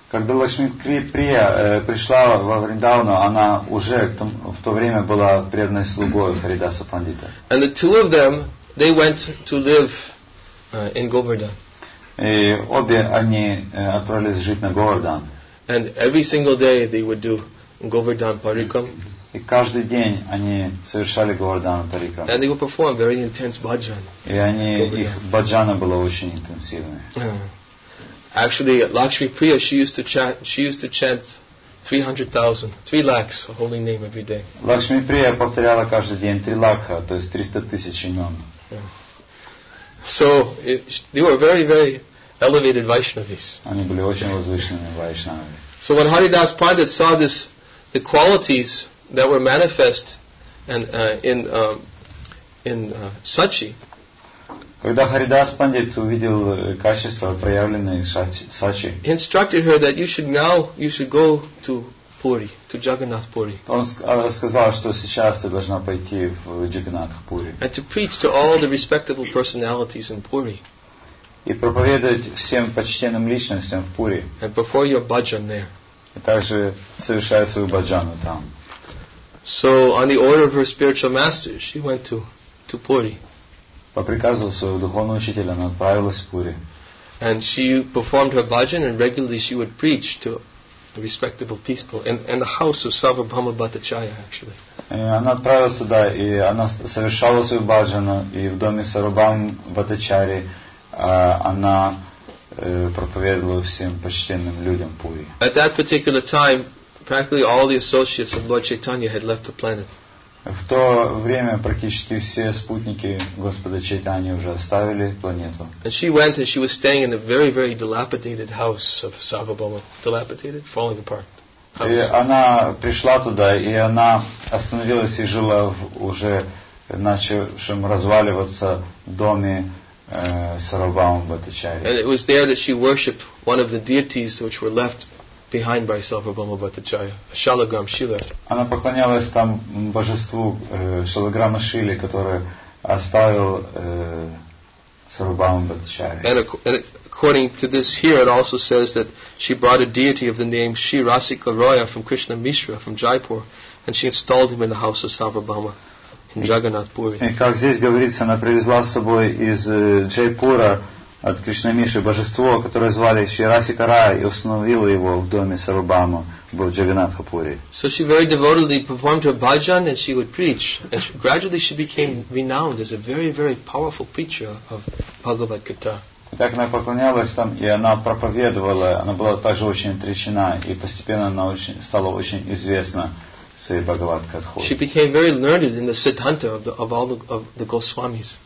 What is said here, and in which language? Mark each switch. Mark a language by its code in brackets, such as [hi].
[ru] Когда Лакшми Прия пришла во Вриндавану, она уже в то время была преданной слугой Харидаса Пандита. [en] And the two of them, they went to live in Govardhan. [ru] И обе они отправились жить на Говардхан. [en] And every single day they would do Govardhan Parikram. [ru] И каждый день они совершали Говардхан Парикрама. [en] And they would perform very intense bhajan. [ru] И они, их bhajana была очень интенсивная. [en] Actually, Lakshmi Priya, she used to chant 300,000, 3 lakhs holy name every day. [ru] Лакшми Прия повторяла каждый день 3 лакха, то есть 300 тысяч имен. [en] So, they were very, very elevated Vaishnavis. [ru] Они были очень возвышенными Вайшнавами. [en] So when Haridas Pandit saw this, the qualities that were manifest and in Sachi. [ru] Когда Харидас Пандит увидел качества, проявленные Сачи, [en] instructed her that you should go to Puri, to Jagannath Puri. [ru] Он сказал, что сейчас ты должна пойти в Джаганнатх Пури. [en] And to preach to all the respectable personalities in Puri. [ru] И проповедовать всем почтенным личностям в Пури. [en] And perform your bhajan there. [ru] И также совершая свою баджану там. [en] So on the order of her spiritual master, she went to Puri. [ru] По приказу своего духовного учителя она отправилась в Пури. [en] And she performed her bhajan and regularly she would preach to respectable people in the house of Savabhama Bhattacharya actually. [ru] Она отправилась туда и она совершала свою бхаджану и в доме Сарубам Бхаттачари она проповедовала всем почтенным людям Пури. [en] At that particular time, practically all the associates of Lord Chaitanya had left the planet. [ru] В то время практически все спутники Господа Чайтаньи уже оставили планету. [en] And she went and she was staying in a very, very dilapidated house of Savabhama. Dilapidated? Falling apart. [ru] И она пришла туда, и она остановилась и жила в уже начавшем разваливаться доме Сарубама Бхаттачари. [en] And it was there that she worshipped one of the deities which were left behind by Savabhama Bhattacharya, Shalagram Shila. [ru] Она поклонялась там божеству Шалаграма Шили, которое оставил Сарубама Бхаттачарья. [en] And according to this here, it also says that she brought a deity of the name Shri Rasika Roya from Krishna Mishra from Jaipur, and she installed him in the house of Savabhama in Jagannath Puri. [ru] И как здесь говорится, она привезла с собой из Джайпура от Кришна Миши божество, которое звали Шри Расика Рая, и установило его в доме Сарубама в Джаганнатха Пури. [en] So she very devotedly performed her bhajan and she would preach. And gradually she became renowned as a very, very powerful preacher of Bhagavad Gita. [ru] Так она поклонялась там, и она проповедовала, она была также очень отречена, и постепенно она стала очень известна своей Бхагавад-катхой. [en] She became very learned in the Siddhanta of all the Goswamis.